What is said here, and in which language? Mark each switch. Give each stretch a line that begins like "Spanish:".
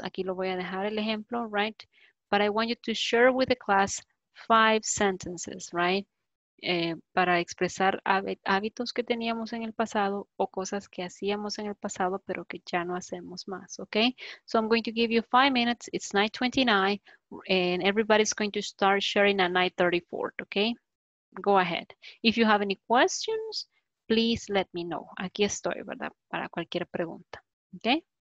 Spanish: Aquí lo voy a dejar el ejemplo,
English: right? But I want you to share with the class 5 sentences, right?
Spanish: Para expresar hábitos que teníamos en el pasado o cosas que hacíamos en el pasado pero que ya no hacemos más,
English: okay? So I'm going to give you 5 minutes. It's 9:29 and everybody's going to start sharing at 9:34, okay? Go ahead. If you have any questions, please let me know.
Spanish: Aquí estoy, ¿verdad? Para cualquier pregunta,
English: okay?